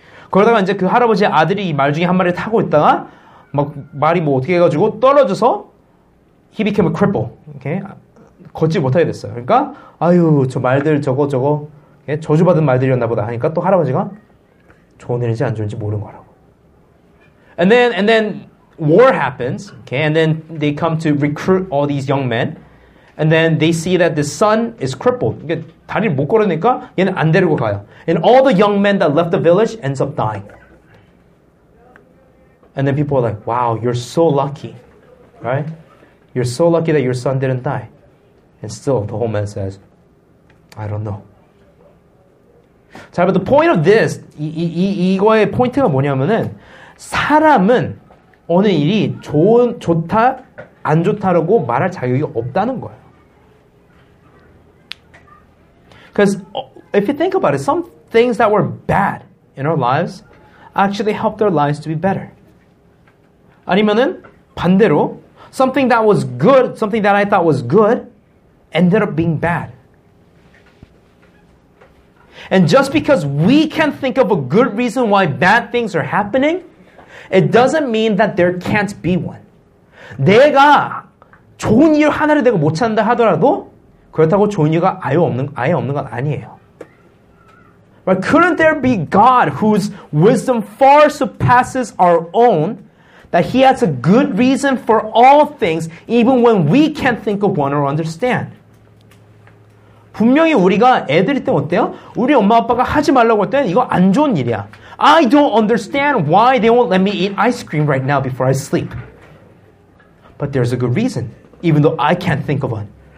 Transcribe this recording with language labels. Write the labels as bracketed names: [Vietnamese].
[Korean] 그러다가 이제 그 할아버지의 아들이 이 말 중에 한 마리를 타고 있다가 막 말이 뭐 어떻게 해가지고 떨어져서 [English] he became a cripple. [Korean] Okay? 걷지 못하게 됐어요. 그러니까, 아유, 저 말들 저거, 예? 저주받은 말들이었나 보다 하니까 또 할아버지가 좋은 일인지 안 좋은지 모르는 거라고. [English] And then war happens, okay? And then they come to recruit all these young men. And then they see that the son is crippled. [Korean] 이게 다리를 못 걸으니까 얘는 안 데리고 가요. [English] And all the young men that left the village ends up dying. And then people are like, wow, you're so lucky, right? You're so lucky that your son didn't die. And still, the whole man says, I don't know. So, but the point of this, [Korean] 이거의 포인트가 뭐냐면은 사람은 어느 일이 좋다, 안 좋다라고 말할 자격이 없다는 거예요. [English] Because if you think about it, some things that were bad in our lives actually helped our lives to be better. [Korean] 아니면은 반대로, [English] something that was good, something that I thought was good, ended up being bad. And just because we can think of a good reason why bad things are happening, it doesn't mean that there can't be one. [Korean] 내가 좋은 일 하나를 내가 못 찾는다 하더라도 그렇다고 좋은 이유가 아예 없는 건 아니에요. [English] But couldn't there be God whose wisdom far surpasses our own, that he has a good reason for all things, even when we can't think of one or understand? [Korean] 분명히 우리가 애들일 때 어때요? 우리 엄마 아빠가 하지 말라고 할 때는 이거 안 좋은 일이야. [English] I don't understand why they won't let me eat ice cream right now before I sleep. But there's a good reason, even though I can't think of one.